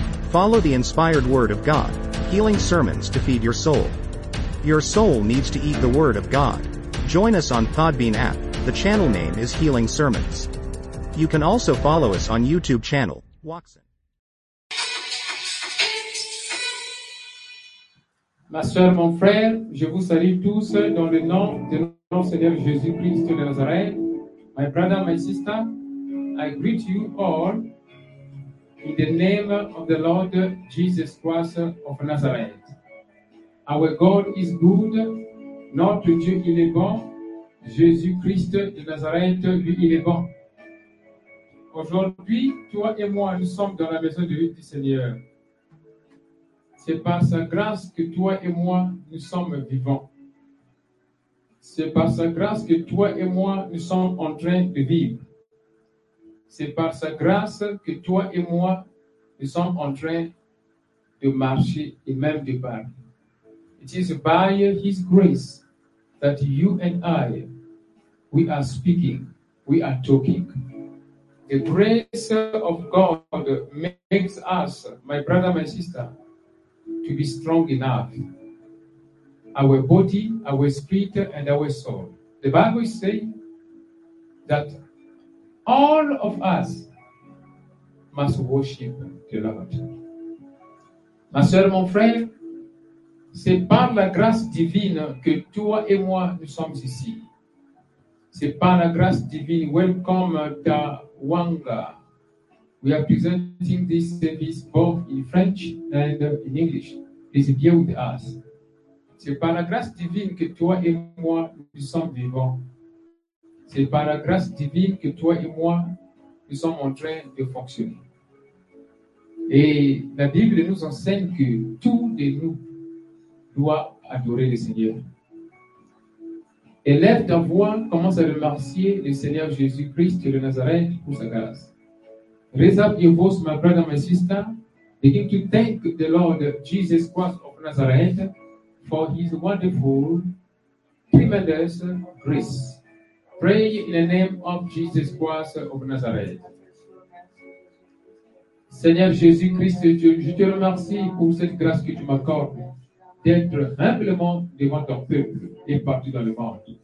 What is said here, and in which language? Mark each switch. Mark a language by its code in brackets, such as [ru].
[en] Follow the inspired word of God, Healing Sermons to feed your soul. Your soul needs to eat the word of God. Join us on Podbean app, the channel name is Healing Sermons. You can also follow us on YouTube channel, Watson. [fr] Ma soeur, mon frère, je vous salue tous dans le nom de notre Seigneur Jésus-Christ de Nazareth. [en] My brother, my sister, I greet you all in the name of the Lord Jesus Christ of Nazareth. Our God is good, [fr] notre Dieu il est bon, Jésus-Christ de Nazareth, lui il est bon. Aujourd'hui, toi et moi, nous sommes dans la maison de Dieu, Seigneur. C'est par sa grâce que toi et moi, nous sommes vivants. C'est par sa grâce que toi et moi, nous sommes en train de vivre. C'est par sa grâce que toi et moi, nous sommes en train de marcher et même de parler. [en] It is by his grace that you and I, we are speaking, we are talking. The grace of God makes us, my brother, my sister, to be strong enough. Our body, our spirit, and our soul. The Bible says that all of us must worship the Lord. [fr] Ma soeur, mon frère, c'est par la grâce divine que toi et moi, nous sommes ici. C'est par la grâce divine. [en] Welcome to Wanga. We are presenting this service both in French and in English. Please bear with us. [fr] C'est par la grâce divine que toi et moi, nous sommes vivants. C'est par la grâce divine que toi et moi, nous sommes en train de fonctionner. Et la Bible nous enseigne que tout de nous doit adorer le Seigneur. Élève ta voix, commence à remercier le Seigneur Jésus-Christ de Nazareth pour sa grâce. [en] Raise up your voice, my brother, my sister. Begin to thank the Lord Jesus Christ of Nazareth for his wonderful, tremendous grace. Pray in the name of Jesus Christ of Nazareth. [fr] Seigneur Jésus-Christ, je te remercie pour cette grâce que tu m'accordes d'être humblement devant ton peuple et partout dans le monde.